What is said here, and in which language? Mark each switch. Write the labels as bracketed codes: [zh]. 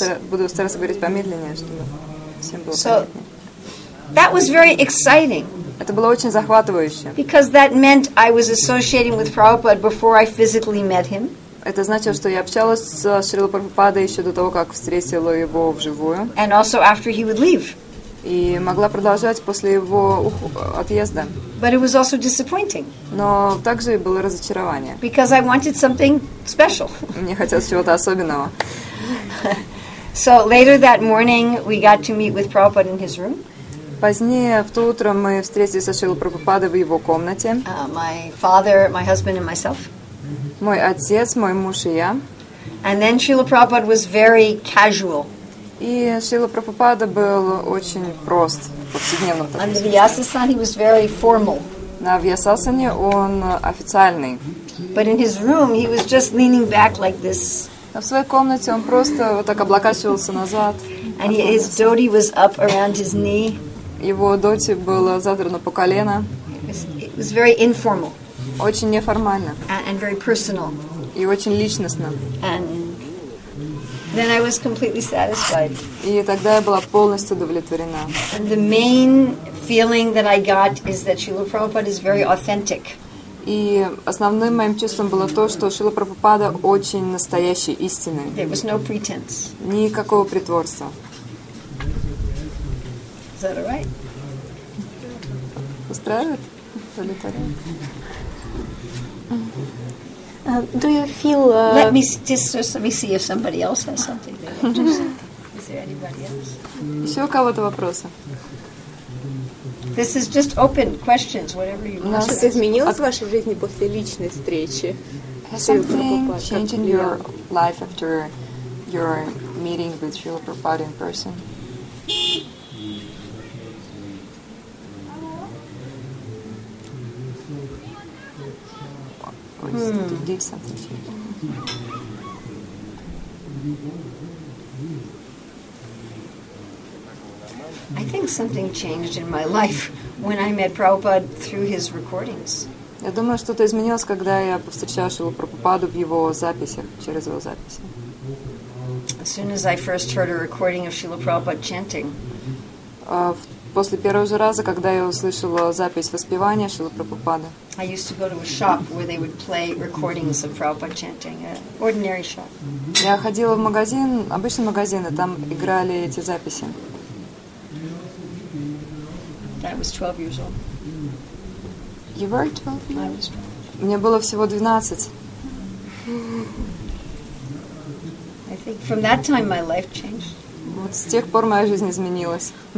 [ru] Буду стараться говорить помедленнее, чтобы всем было понятнее. [en] So, that was very exciting. [ru] Это было очень захватывающе. [en] Because that meant I was associating with Prabhupada before I physically met him. [ru] Это значило, что я общалась с Шрилой Прабхупадой еще до того, как встретила его вживую. [en] And also after he would leave. [ru] И могла продолжать после его отъезда. [en] But it was also disappointing. [ru] Но также было разочарование. [en] Because I wanted something special. [ru] Мне хотелось чего-то особенного. [en] So later that morning we got to meet with Prabhupada in his room. [ru] Позднее, в то утро, мы встретились со Шрилой Прабхупадой в его комнате. [en] My father, my husband and myself. [ru] Мой отец, мой муж и я. [en] And then Srila Prabhupada was very casual. [ru] И Шрила Прабхупада был очень прост в повседневном. [en] And the Vyasasana, he was very formal. [ru] На Вьясасане он официальный. [en] But in his room he was just leaning back like this. [ru] А в своей комнате он просто вот так облокачивался назад. [en] And his dhoti was up around his knee. [ru] Его доти было задрано по колено. [en] It was very informal. [ru] Очень неформально. [en] And very personal. [ru] И очень личностно. [en] And then I was completely satisfied. [ru] И тогда я была полностью удовлетворена. [en] And the main feeling that I got is that Srila Prabhupada is very authentic. [ru] И основным моим чувством было то, что Шрила Прабхупада очень настоящий, истинный. [en] There was no pretense. [ru] Никакого притворства. [en] Is that all right? [ru] Устраивает? Удовлетворен? [en] Do you feel? Let me see if somebody else has something. Is there anybody else? [ru] Еще у кого-то вопросы? [en] This is just open questions, whatever you want. [ru] Что-то изменилось в вашей жизни после личной встречи? [en] Has something changed in your life after your meeting with Srila Prabhupada in person? Did something change? I think something changed in my life when I met Prabhupada through his recordings. [ru] Я думаю, что-то изменилось, когда я повстречала Шрилу Прабхупаду в его записях, через его записи. [en] As soon as I first heard a recording of Srila Prabhupada chanting. [ru] После первого же раза, когда я услышала запись воспевания Шрилы Прабхупады. [en] I used to go to a shop where they would play recordings of Prabhupada chanting, an ordinary shop. [ru] Я ходила в магазин, обычный магазин, и там играли эти записи. [en] I was 12 years old. You were 12? I was 12. [ru] Мне было всего 12. [en] I think from that time my life changed. [ru] Вот с тех пор моя жизнь изменилась.